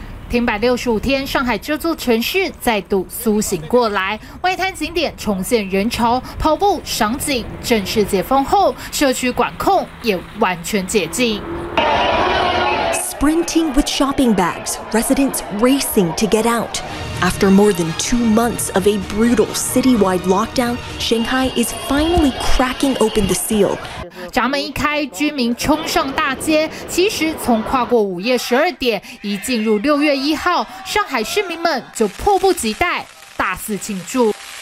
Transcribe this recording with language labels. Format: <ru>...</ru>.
<zh>停摆65天，上海这座城市再度苏醒过来，外滩景点重现人潮，跑步赏景正式解封后，社区管控也完全解禁。</zh> <en>Sprinting with shopping bags, residents racing to get out. After more than 2 months of a brutal citywide lockdown, Shanghai is finally cracking open the seal.</en> <zh>闸门一开，居民冲上大街。其实从跨过午夜12点，一进入6月1号，上海市民们就迫不及待大肆庆祝。</zh>